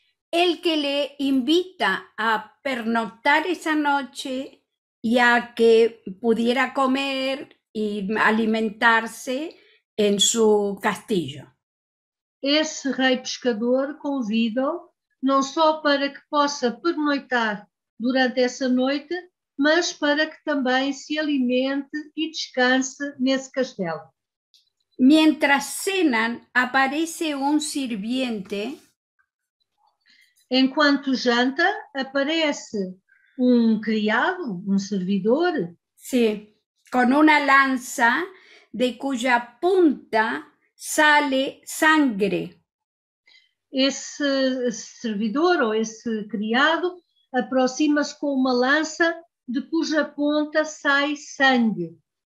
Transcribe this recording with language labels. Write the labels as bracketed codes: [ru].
[es] El que le invita a pernoctar esa noche y a que pudiera comer y alimentarse [pt] em seu [es] castillo. [pt] Esse rei pescador convida-o não só para que possa pernoitar durante essa noite, mas para que também se alimente e descanse nesse castelo. [es] Mientras cenan, aparece sirviente. [pt] Enquanto janta, aparece criado, servidor. Sim, com uma lança de [es] cuya punta sale sangre. [pt] Esse servidor ou esse criado aproxima-se com uma lança de cuja ponta sai sangue.